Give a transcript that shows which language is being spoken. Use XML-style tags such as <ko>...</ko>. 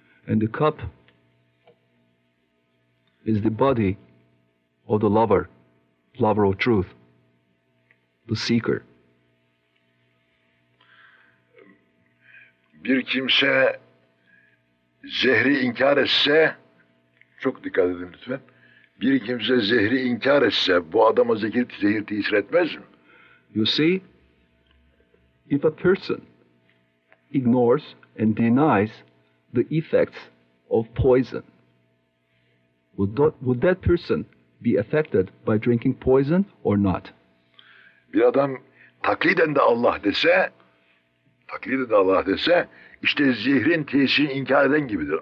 <en>And the cup is the body of the lover, lover of truth, the seeker.</en> <tr>Bir kimse zehri inkar etse, çok dikkat edin lütfen, bir kimse zehri inkar etse, bu adama zehir tesir etmez mi?</tr> <en>You see, if a person ignores and denies the effects of poison, would that person be affected by drinking poison or not?</en> <tr>Bir adam takliden de Allah dese, takliden de Allah dese, işte zehrin tesirini inkar eden gibidir.</tr>